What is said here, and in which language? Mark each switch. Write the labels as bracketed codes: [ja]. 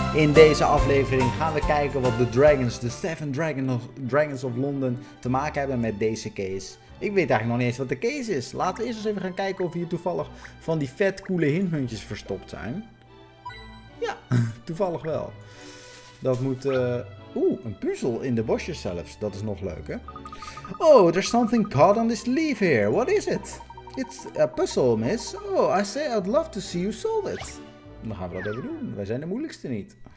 [nl] In deze aflevering gaan we kijken wat de Dragons, de Seven Dragons of London, te maken hebben met deze case. Ik weet eigenlijk nog niet eens wat de case is. Laten we eerst eens even gaan kijken of hier toevallig van die vet coole hintmuntjes verstopt zijn. Ja, toevallig wel. Dat moet... een puzzel in de bosjes zelfs. Dat is nog leuk, hè? [en] Oh, there's something caught on this leaf here. What is it? It's a puzzle, miss. Oh, I say I'd love to see you solve it. [nl] Dan gaan we dat even doen. Wij zijn de moeilijkste niet.